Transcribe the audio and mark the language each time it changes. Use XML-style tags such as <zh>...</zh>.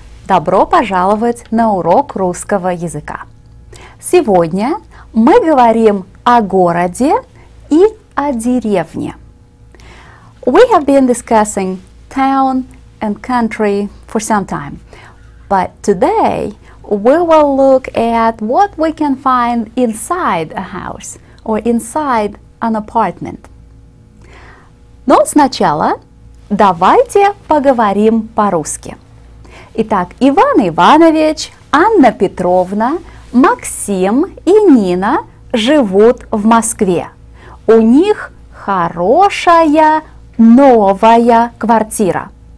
<ru>Добро пожаловать на урок русского языка! Сегодня мы говорим о городе и о деревне.</ru> <en>We have been discussing town and country for some time, but today we will look at what we can find inside a house or inside an apartment.</en> <ru>Но сначала давайте поговорим по-русски. Итак, Иван Иванович, Анна Петровна, Максим и Нина живут в Москве. У них хорошая новая квартира.</ru>